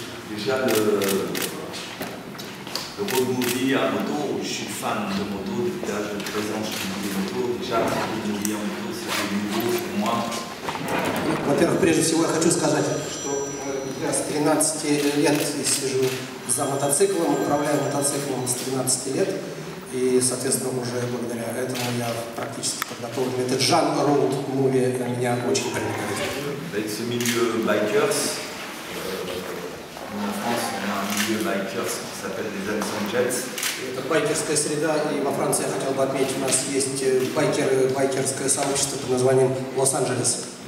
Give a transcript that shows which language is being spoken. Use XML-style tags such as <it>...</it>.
<fr>Déjà, le road movie à moto, je suis fan de moto, déjà je suis présent, je suis des motos, déjà le road movie à moto, c'est un nouveau pour moi.</fr> <ru>Во-первых, прежде всего, я хочу сказать, что я с 13 лет сижу за мотоциклом, управляю мотоциклом с 13 лет, и, соответственно, уже благодаря этому я практически подготовлен. Этот жанр road movie меня очень привлекает.</ru> <fr>Avec ce milieu bikers, en France on a un milieu bikers qui s'appelle les Amazon Jets.</fr> <ru>Это байкерская среда, и во Франции я хотел бы отметить, у нас есть байкерское сообщество под названием Лос-Анджелес.</ru>